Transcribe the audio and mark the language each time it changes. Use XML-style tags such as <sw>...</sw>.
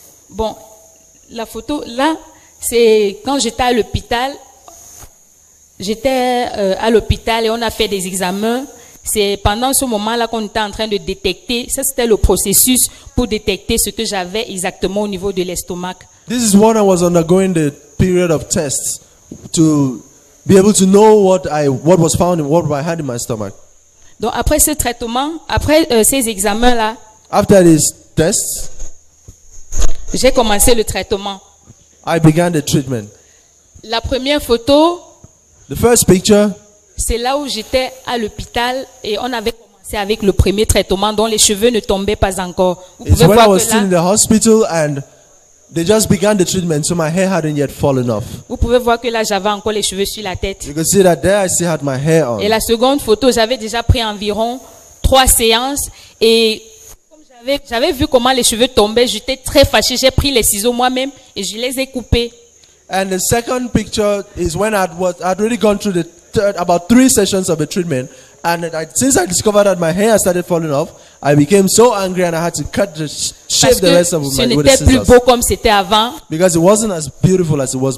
<fr>Bon, la photo là, c'est quand j'étais à l'hôpital. J'étais à l'hôpital et on a fait des examens. C'est pendant ce moment-là qu'on était en train de détecter. Ça, c'était le processus pour détecter ce que j'avais exactement au niveau de l'estomac.</fr> <en>This is when I was undergoing the period of tests to be able to know what was found and what I had in my stomach.</en> <fr>Donc après ce traitement, après ces examens là,</fr> <en>after these tests,</en> <fr>j'ai commencé le traitement.</fr> <en>I began the treatment.</en> <fr>La première photo,</fr> <en>the first picture,</en> <fr>c'est là où j'étais à l'hôpital et on avait commencé avec le premier traitement dont les cheveux ne tombaient pas encore. Vous pouvez voir que là,</fr> <en>I was still in the hospital and they just began the treatment, so my hair hadn't yet fallen off.</en> <fr>Vous pouvez voir que là, j'avais encore les cheveux sur la tête.</fr> <en>You can see that there I still had my hair on.</en> <fr>Et la seconde photo, j'avais déjà pris environ 3 séances et comme j'avais vu comment les cheveux tombaient, j'étais très fâchée. J'ai pris les ciseaux moi-même et je les ai coupés.</fr> <en>And the second picture is when I'd really gone through about 3 sessions of the treatment, and since I discovered that my hair started falling off, I became so angry and I had to shave the rest of my</en> <fr>scissors. Ce n'était plus beau comme c'était avant.</fr> <en>Because it wasn't as beautiful as it was</en>